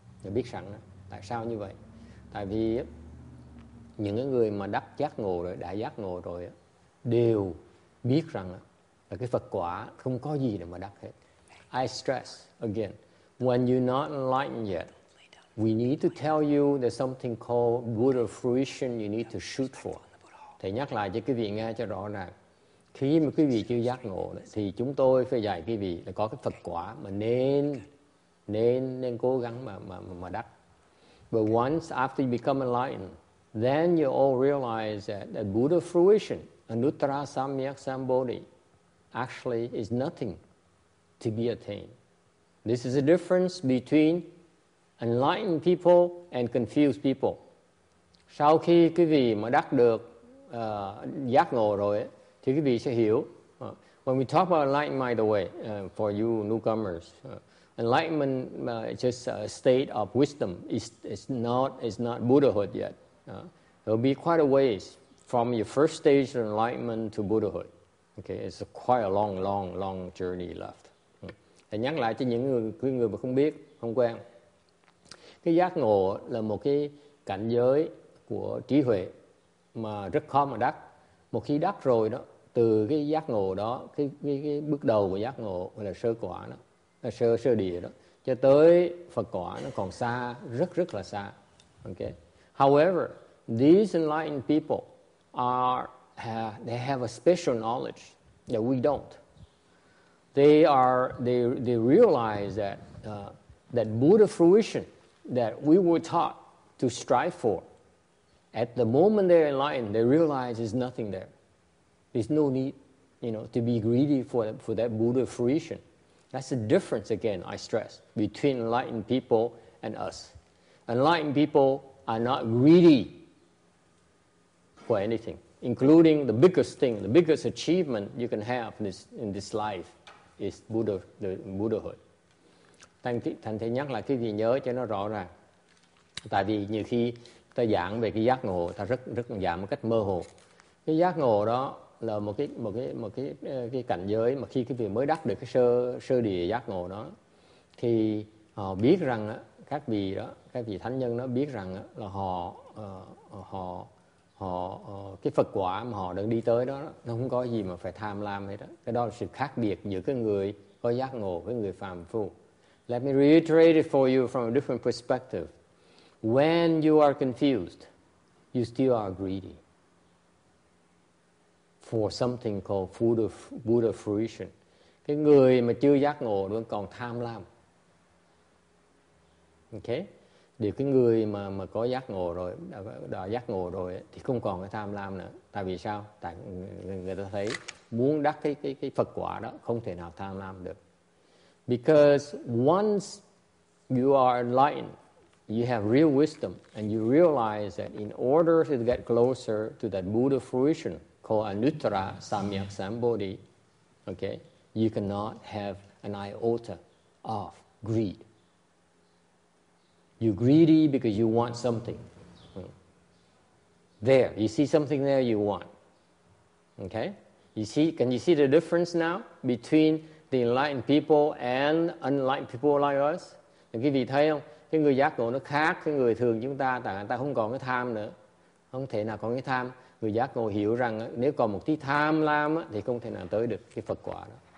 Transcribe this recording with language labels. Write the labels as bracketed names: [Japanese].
[Vietnamese] Biết rằng tại sao như vậy? Tại vì những người mà đắc giác ngộ rồi, đã giác ngộ rồi đều biết rằng là cái Phật quả không có gì để mà đắc hết. [English] I stress again, When you're not enlightened yet, we need to tell you there's something called Buddha fruition you need to shoot for. [Vietnamese] Thầy nhắc lại cho quý vị nghe cho rõ ràng. Khi mà quý vị chưa giác ngộ thì chúng tôi phải dạy quý vị là có cái Phật quả mà nên cố gắng mà đắc. [English] But once after you become enlightened, then you all realize that the Buddha fruition, Anuttara Sammyak Sambodhi, actually is nothing to be attained. This is the difference between enlightened people and confused people. [Vietnamese] Sau khi quý vị mà đắc được giác ngộ rồi ấy, thì quý vị sẽ hiểu. [English] When we talk about enlightenment, by the way, for you newcomers, enlightenment is just a state of wisdom. It's not Buddhahood yet. There'll be quite a ways from your first stage of enlightenment to Buddhahood. Okay, it's a quite a long journey left. [Vietnamese] Thầy nhắc lại cho những người mà không biết, không quen. Cái giác ngộ là một cái cảnh giới của trí huệ mà rất khó mà đắc. Một khi đắc rồi đó, từ cái giác ngộ đó, cái bước đầu của giác ngộ là sơ quả đó, là sơ địa đó, cho tới Phật quả nó còn xa, rất là xa. [English] Okay. However, these enlightened people have a special knowledge that we don't. They realize that Buddha fruition that we were taught to strive for, at the moment they're enlightened, they realize there's nothing there. There's no need, you know, to be greedy for that Buddha fruition. That's the difference, again, I stress, between enlightened people and us. Enlightened people are not greedy for anything, including the biggest thing, the biggest achievement you can have in this life is Buddha, the Buddhahood. [Vietnamese] Thành thầy nhắc lại cái gì nhớ cho nó rõ ràng. Tại vì nhiều khi ta giảng về cái giác ngộ, ta rất giảng một cách mơ hồ. Cái giác ngộ đó là một cái cảnh giới mà khi cái vị mới đắc được cái sơ địa giác ngộ đó, thì họ biết rằng các vị đó, các vị thánh nhân đó biết rằng là họ cái Phật quả mà họ đang đi tới đó, nó không có gì mà phải tham lam hết đó. Cái đó là sự khác biệt giữa cái người có giác ngộ với người phàm phu. [English] Let me reiterate it for you from a different perspective. When you are confused, you still are greedy for something called Buddha fruition. [Vietnamese] Cái người mà chưa giác ngộ vẫn còn tham lam. Okay? Thì cái người mà có giác ngộ rồi, đã giác ngộ rồi ấy, thì không còn cái tham lam nữa. Tại vì sao? Tại người ta thấy muốn đắc cái Phật quả đó không thể nào tham lam được. [English] Because once you are enlightened, you have real wisdom, and you realize that in order to get closer to that Buddha fruition called Anuttara Sammyak Sambodhi, okay, you cannot have an iota of greed. You're greedy because you want something. There, you see something there you want. Okay? Can you see the difference now between the enlightened people and unenlightened people like us? [Vietnamese] Thì vị thấy không? Cái người giác ngộ nó khác cái người thường chúng ta, tại người ta không còn cái tham nữa. Không thể nào còn cái tham. Người giác ngộ hiểu rằng nếu còn một tí tham lam thì không thể nào tới được cái Phật quả đó.